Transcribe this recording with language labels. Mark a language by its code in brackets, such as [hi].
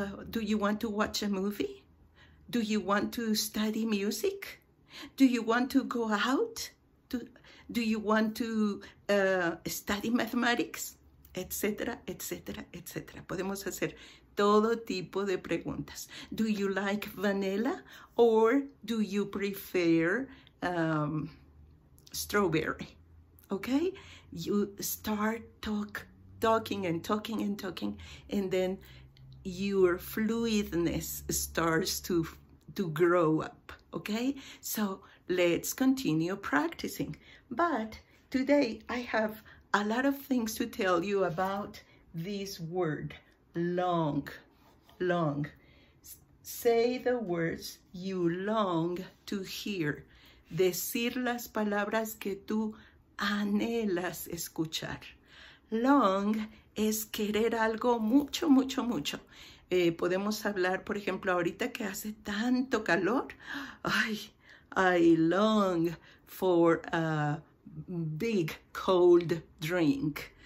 [en] Do you want to watch a movie? ¿Do you want to study music? ¿Do you want to go out? Do you want to study mathematics? [es] Etcétera, etcétera, etcétera. Podemos hacer todo tipo de preguntas. [en] Do you like vanilla or do you prefer strawberry? Okay? You start talking, and then your fluidness starts to grow up. Okay? So let's continue practicing. But today I have a lot of things to tell you about this word. Long, long. Say the words you long to hear. [es] Decir las palabras que tú anhelas escuchar. Long es querer algo mucho, mucho, mucho. Podemos hablar, por ejemplo, ahorita que hace tanto calor. [en] Ay, I long for a big cold drink.